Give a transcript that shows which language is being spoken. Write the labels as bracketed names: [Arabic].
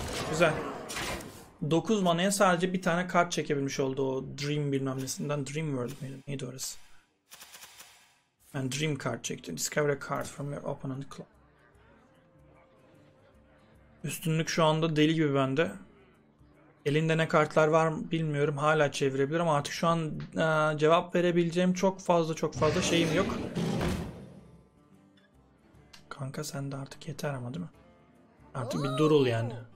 [Turkish] Güzel. 9 manaya sadece bir tane kart çekebilmiş oldu o Dream bilmem nesinden. Dream World miydi? Neydi orası? Yani Dream card çekti. [English] Discover a card from your opponent's club. [Turkish] Üstünlük şu anda deli gibi bende. Elinde ne kartlar var bilmiyorum. Hala çevirebilirim. Artık şu an cevap verebileceğim çok fazla şeyim yok. Kanka sen de artık yeter ama, değil mi? Artık bir durul yani.